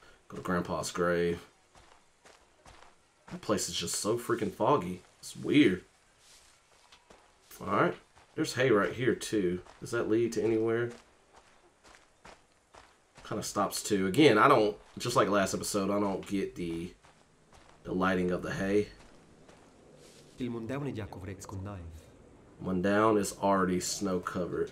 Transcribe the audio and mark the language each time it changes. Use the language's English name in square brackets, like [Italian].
[English] Go to Grandpa's grave. That place is just so freaking foggy. It's weird. All right, there's hay right here too. Does that lead to anywhere? Kind of stops too. Again, I don't, just like last episode, I don't get the lighting of the hay. [Italian] Il Mundaun è già coperto con neve. [English] Mundaun is already snow covered.